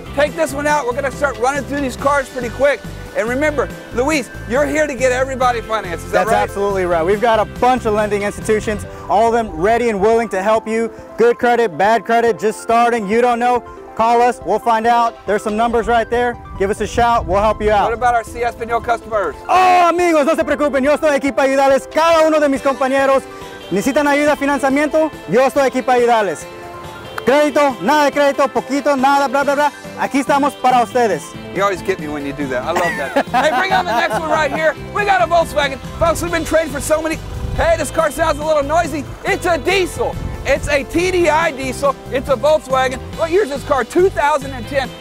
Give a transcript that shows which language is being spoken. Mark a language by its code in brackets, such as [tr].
[en] Take this one out. We're gonna start running through these cars pretty quick. And remember, Luis, you're here to get everybody financed, is that right? That's absolutely right. We've got a bunch of lending institutions, all of them ready and willing to help you. Good credit, bad credit, just starting, you don't know, call us, we'll find out. There's some numbers right there. Give us a shout, we'll help you out. What about our CS Español customers? [es] Oh, amigos, no se preocupen, yo estoy aquí para ayudarles. Cada uno de mis compañeros necesitan ayuda, financiamiento, yo estoy aquí para ayudarles. Crédito, nada de crédito, poquito, nada, blah, blah, blah. Aquí estamos para ustedes. [en] You always get me when you do that. I love that. Hey, bring on the next one right here. We got a Volkswagen. Folks, we've been trading for so many. Hey, this car sounds a little noisy. It's a diesel. It's a TDI diesel. It's a Volkswagen. What year is this car? 2010.